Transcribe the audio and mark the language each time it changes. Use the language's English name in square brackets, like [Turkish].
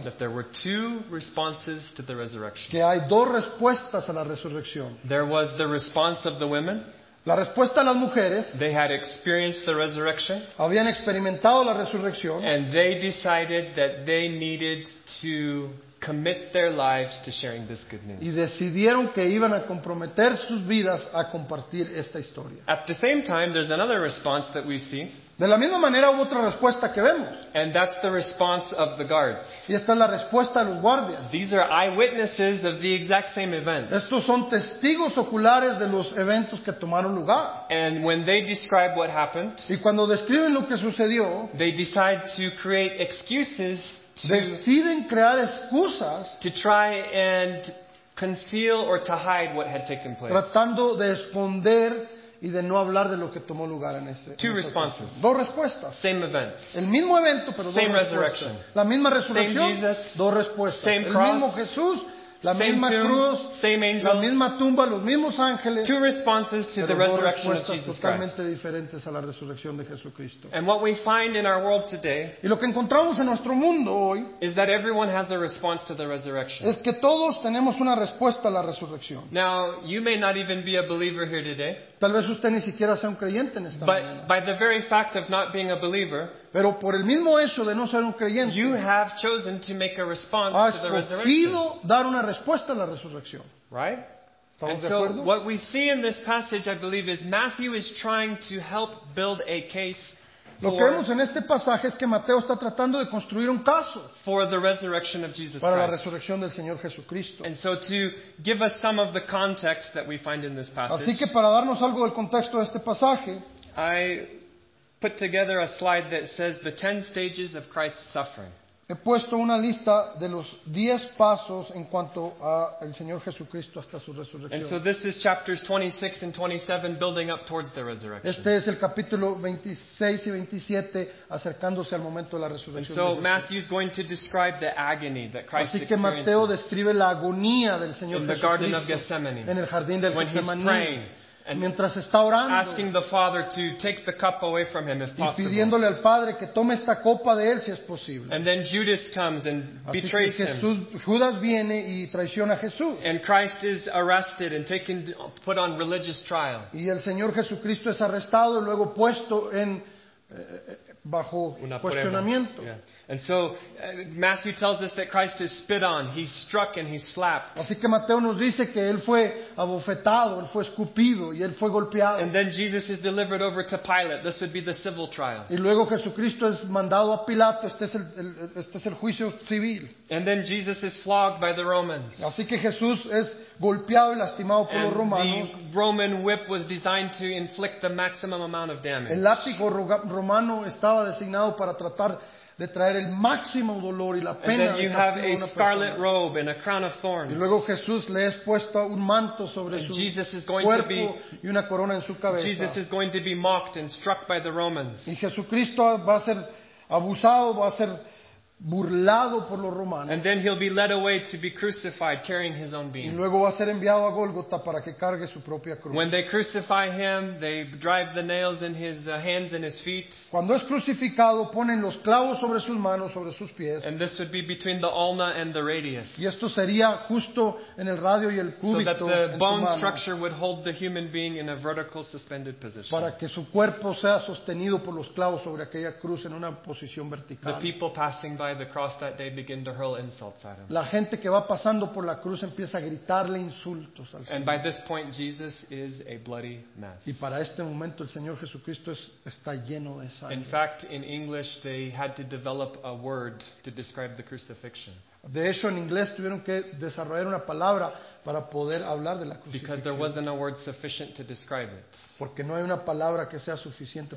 [English] that there were two responses to the resurrection. [Spanish] Que hay dos respuestas a la resurrección. [English] There was the response of the women. [Spanish] La respuesta de las mujeres. [English] They had experienced the resurrection. [Spanish] Habían experimentado la resurrección. [English] And they decided that they needed to commit their lives to sharing this good news. [Spanish] Y decidieron que iban a comprometer sus vidas a compartir esta historia. [English] At the same time, there's another response that we see. [Spanish] De la misma manera hubo otra respuesta que vemos. [English] And that's the response of the guards. [Spanish] Y esta es la respuesta de los guardias. [English] These are eyewitnesses of the exact same event. [Spanish] Estos son testigos oculares de los eventos que tomaron lugar. [English] And when they describe what happened, [Spanish] y cuando describen lo que sucedió, [English] they decide to create excuses. [Spanish] Deciden crear excusas [English] to try and conceal or to hide what had taken place. [Spanish] Tratando de esconder y de no hablar de lo que tomó lugar en ese. [English] Two responses. [Spanish] Dos respuestas. [English] Same events. [Spanish] El mismo evento, pero [English] same resurrection. [Spanish] La misma resurrección. [English] Same Jesus. [Spanish] Dos respuestas. [English] Same cross. [Spanish] El mismo Jesús. La [English] same [Spanish] misma [English] tomb, [Spanish] cruz. [English] Same angels. [Spanish] La misma tumba. Los mismos ángeles. [English] Two responses to the resurrection of Jesus Christ. [Spanish] Totalmente diferentes a la resurrección de Jesucristo. [English] And what we find in our world today. [Spanish] Y lo que encontramos en nuestro mundo hoy. [English] Is that everyone has a response to the resurrection. [Spanish] Es que todos tenemos una respuesta a la resurrección. [English] Now you may not even be a believer here today. [Spanish] Tal vez usted ni siquiera sea un creyente en esta mañana. [English] But by the very fact of not being a believer. [Spanish] Pero por el mismo hecho de no ser un creyente. [English] You have chosen to make a response to the resurrection. [Spanish] Has escogido dar una respuesta a la resurrección. [English] Right? [Spanish] ¿Estamos de acuerdo? [English] And so what we see in this passage, I believe, is Matthew is trying to help build a case. [Spanish] Lo que vemos en este pasaje es que Mateo está tratando de construir un caso [English] for the resurrection of Jesus [Spanish] para la resurrección del Señor Jesucristo. [English] And so to give us some of the context that we find in this passage. [Spanish] Así que para darnos algo del contexto de este pasaje, [English] I put together a slide that says the 10 stages of Christ's suffering. [Spanish] He puesto una lista de los 10 pasos en cuanto a el Señor Jesucristo hasta su resurrección. [English] And so this is chapters 26 and 27 building up towards the resurrection. [Spanish] Este es el capítulo 26 y 27 acercándose al momento de la resurrección. [English] And so Matthew is going to describe the agony that Christ [Spanish] Así que Mateo describe la agonía del Señor [English] in the [Spanish] Jesucristo [English] Garden of Gethsemane, [Spanish] en el jardín del Getsemaní. And mientras está orando, [English] asking the Father to take the cup away from him if possible. [Spanish] Y pidiéndole al Padre que tome esta copa de él si es posible. [English] And then Judas comes and [Spanish] así [English] betrays [Spanish] que Jesús, Judas viene y traiciona a Jesús. [English] And Christ is arrested and taken, put on religious trial. [Spanish] Y el Señor Jesucristo es arrestado y luego puesto en bajo una cuestionamiento. [English] Yeah. And so Matthew tells us that Christ is spit on, he's struck and he's slapped. [Spanish] Así que Mateo nos dice que él fue abofetado, él fue escupido y él fue golpeado. [English] And then Jesus is delivered over to Pilate. This would be the civil trial. [Spanish] Y luego Jesucristo es mandado a Pilato. Este es el juicio civil. [English] And then Jesus is flogged by the Romans. [Spanish] Así que Jesús es golpeado y lastimado por los romanos. [English] The Roman whip was designed to inflict the maximum amount of damage. [Spanish] El látigo romano estaba designado para tratar de traer el máximo dolor y la pena. [English] And then you have a scarlet robe and a crown of thorns. [Spanish] Y luego Jesús le es puesto un manto sobre [English] and [Spanish] su [English] Jesus is going [Spanish] cuerpo [English] to be, [Spanish] y una corona en su cabeza. [English] Jesus is going to be mocked and struck by the Romans. [Spanish] Y Jesucristo va a ser abusado, va a ser burlado por los romanos. [English] And then he'll be led away to be crucified carrying his own beam. [Spanish] Y luego va a ser enviado a Gólgota para que cargue su propia cruz. [English] When they crucify him, they drive the nails in his hands and his feet. [Spanish] Cuando es crucificado, ponen los clavos sobre sus manos, sobre sus pies. [English] And this would be between the ulna and the radius. [Spanish] Y esto sería justo en el radio y el cúbito. [English] So that the bone structure would hold the human being in a vertical suspended position. [Spanish] Para que su cuerpo sea sostenido por los clavos sobre aquella cruz en una posición vertical. [English] The people passing by the cross that day begin to hurl insults at him. [Spanish] La gente que va pasando por la cruz empieza a gritarle insultos al Señor. [English] And by this point Jesus is a bloody mess. [Spanish] Y para este momento el Señor Jesucristo está lleno de sangre. [English] In fact, in English they had to develop a word to describe the crucifixion. [Spanish] De hecho, en inglés tuvieron que desarrollar una palabra para poder hablar de la crucifixión. [English] Because there wasn't a word sufficient to describe it. [Spanish] Porque no hay una palabra que sea suficiente